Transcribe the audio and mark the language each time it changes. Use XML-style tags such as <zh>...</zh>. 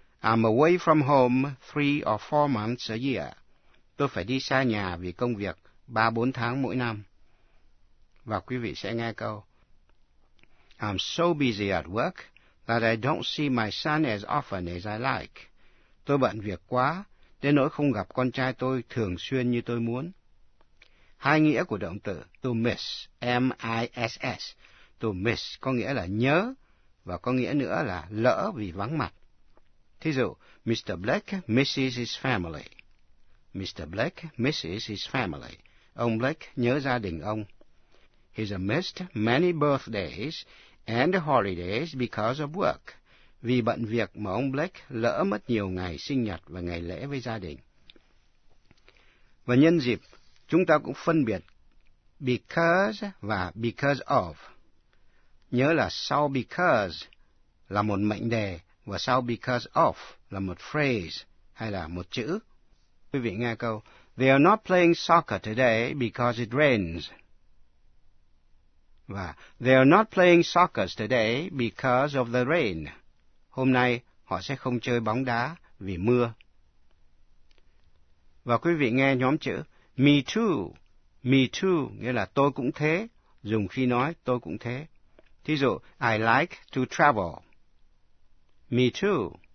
<en>I'm away from home 3 or 4 months a year.</en> <vi>Tôi phải đi xa nhà vì công việc 3-4 tháng mỗi năm. Và quý vị sẽ nghe câu.</vi> <en>I'm so busy at work that I don't see my son as often as I like.</en> <vi>Tôi bận việc quá, đến nỗi không gặp con trai tôi thường xuyên như tôi muốn. Hai nghĩa của động từ to miss, M-I-S-S. To miss có nghĩa là nhớ, và có nghĩa nữa là lỡ vì vắng mặt. Thí dụ,</vi> <en>Mr. Black misses his family. Mr. Black misses his family.</en> <vi>Ông Black nhớ gia đình ông.</vi> <en>He's missed many birthdays and holidays because of work.</en> <vi>Vì bận việc mà ông Black lỡ mất nhiều ngày sinh nhật và ngày lễ với gia đình. Và nhân dịp, chúng ta cũng phân biệt because và because of. Nhớ là sau because là một mệnh đề và sau because of là một phrase hay là một chữ. Quý vị nghe câu,</vi> <en>they are not playing soccer today because it rains.</en> <vi>Và</vi> <en>they are not playing soccer today because of the rain.</en> <vi>Hôm nay họ sẽ không chơi bóng đá vì mưa. Và quý vị nghe nhóm chữ</vi> <en>me too. Me too</en> <vi>nghĩa là tôi cũng thế, dùng khi nói tôi cũng thế. Thí dụ,</vi> <en>I like to travel. Me too.</en>